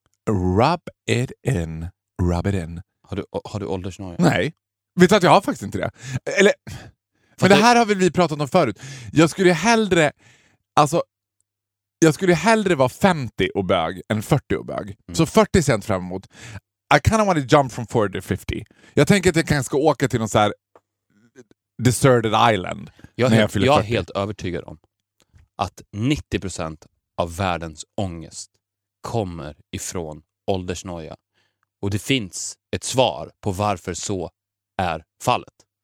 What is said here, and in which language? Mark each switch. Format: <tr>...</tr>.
<en>Rub it in. Rub it in.</en> <sv>Har du åldersnoja? Nej. Vet du att jag har faktiskt inte det? Eller... För men det här har väl vi pratat om förut. Jag skulle hellre... Alltså... Jag skulle hellre vara 50 och bög än 40 och bög. Mm. Så 40 sent fram emot.</sv> <en>I kind of want to jump from 40 to 50.</en> <sv>Jag tänker att jag kanske ska åka till någon så här deserted island. Jag är helt övertygad om att 90% av världens ångest kommer ifrån åldersnoja. Och det finns ett svar på varför så är fallet.</sv>